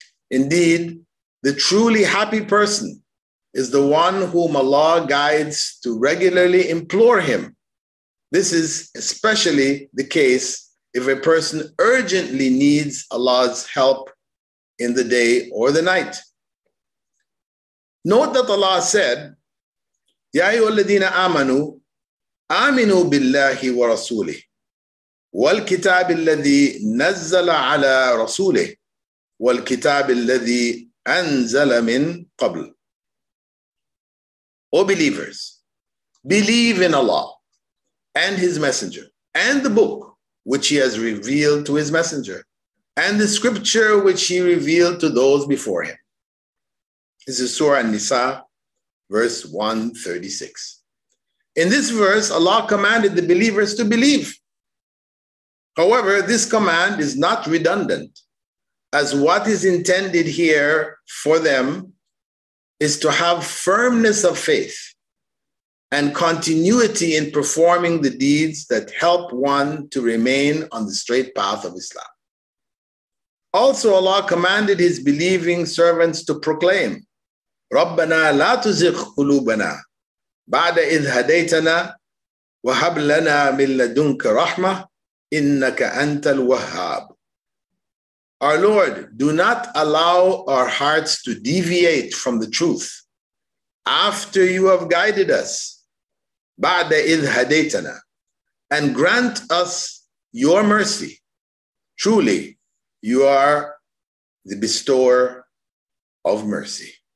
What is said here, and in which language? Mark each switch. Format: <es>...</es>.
<en>Indeed, the truly happy person is the one whom Allah guides to regularly implore him. This is especially the case if a person urgently needs Allah's help in the day or the night. Note that Allah said,</en> <ar>Ya ayyuhal ladhina amanu, آمنوا بالله ورسوله والكتاب الذي نزل على رسوله والكتاب الذي أنزل من قبل.</ar> <en>O believers, believe in Allah and His Messenger and the book which He has revealed to His Messenger and the scripture which he revealed to those before him. This is Surah An-Nisa, verse 136. In this verse, Allah commanded the believers to believe. However, this command is not redundant, as what is intended here for them is to have firmness of faith and continuity in performing the deeds that help one to remain on the straight path of Islam. Also, Allah commanded his believing servants to proclaim,</en> <ar>رَبَّنَا لَا تُزِغْ قُلُوبَنَا بَعْدَ إِذْ هَدَيْتَنَا وَهَبْ لَنَا مِنْ لَدُنْكَ رَحْمَةٍ إِنَّكَ أَنْتَ الْوَهَّابُ.</ar> <en>Our Lord, do not allow our hearts to deviate from the truth after you have guided us,</en> <ar>بَعْدَ إِذْ هَدَيْتَنَا,</ar> <en>and grant us your mercy. Truly, you are the bestower of mercy.</en>